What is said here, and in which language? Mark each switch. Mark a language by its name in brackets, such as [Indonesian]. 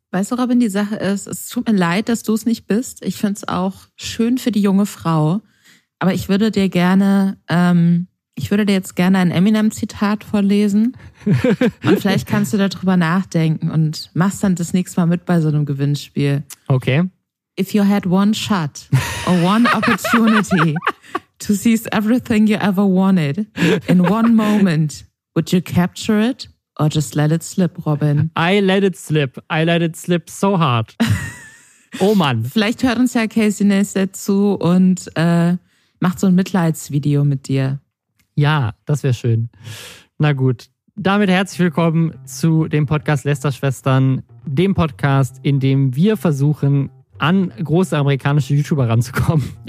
[German] Weißt du, Robin, die Sache ist, es tut mir leid, dass du es nicht bist. Ich finde es auch schön für die junge Frau. Aber ich würde dir gerne, ich würde dir jetzt gerne ein Eminem-Zitat vorlesen und vielleicht kannst du darüber nachdenken und machst dann das nächste Mal mit bei so einem Gewinnspiel. Okay. [English] If you had one shot or one opportunity to seize everything you ever wanted in one moment, would you capture it or just let it slip, Robin? I let it slip so hard. Oh Mann. [German] Vielleicht hört uns ja Casey Neistat zu und macht so ein Mitleidsvideo mit dir. Ja, das wäre schön. Na gut, damit herzlich willkommen zu dem Podcast Lästerschwestern, dem Podcast, in dem wir versuchen, an große amerikanische YouTuber ranzukommen.